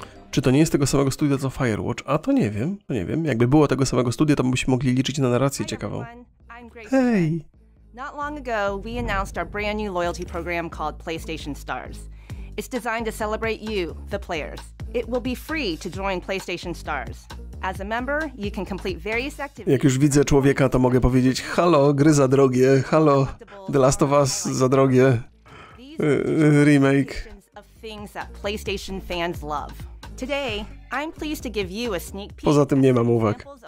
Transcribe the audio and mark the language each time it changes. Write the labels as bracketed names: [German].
[Polish] Czy to nie jest tego samego studia co Firewatch? A to nie wiem, to nie wiem. Jakby było tego samego studia, to byśmy mogli liczyć na narrację ciekawą. Hej! [English] Not long ago, we announced our brand new loyalty program called PlayStation Stars. It's designed to celebrate you, the players. It will be free to join PlayStation Stars. As a member, you can complete various activities. [Polish] Jak już widzę człowieka, to mogę powiedzieć: halo, gry za drogie, halo, The Last of Us za drogie, remake. [English] Things that PlayStation fans love. Today, I'm pleased to give you a sneak peek. [Polish] Poza tym nie mam uwag.